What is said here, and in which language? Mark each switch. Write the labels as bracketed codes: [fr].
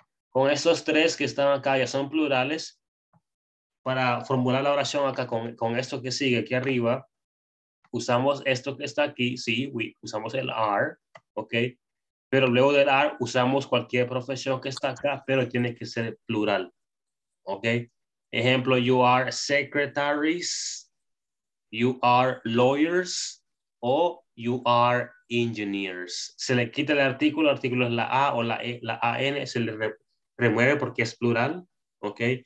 [es] Con estos tres que están acá, ya son plurales. Para formular la oración acá con esto que sigue aquí arriba, usamos esto que está aquí, sí, usamos el are, ¿ok? Pero luego del are, usamos cualquier profesión que está acá, pero tiene que ser plural, ¿ok? [en] Ejemplo, you are secretaries, you are lawyers, o you are engineers. [es] Se le quita el artículo es la A o la E, la AN, se le remueve porque es plural, ¿ok?